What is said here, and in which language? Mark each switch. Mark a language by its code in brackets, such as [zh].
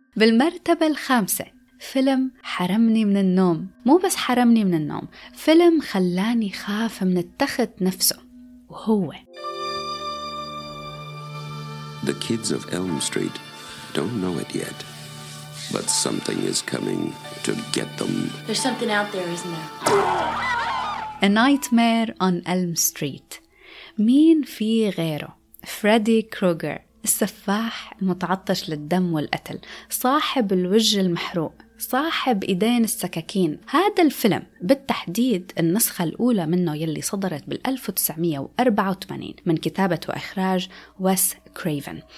[ar] بالمرتبة الخامسة فيلم حرمني من النوم، مو بس حرمني من النوم، فيلم خلاني خاف من التخت نفسه، وهو [en] The kids of Elm Street don't know it yet, but something is coming to get them. There's something out there, isn't there? A Nightmare on Elm Street. [ar] مين في غيره؟ فريدي كروغر، السفاح المتعطش للدم والقتل، صاحب الوجه المحروق، صاحب إيدين السكاكين. هذا الفيلم بالتحديد النسخة الأولى منه يلي صدرت بال 1984 من كتابة وإخراج ويس كريفن.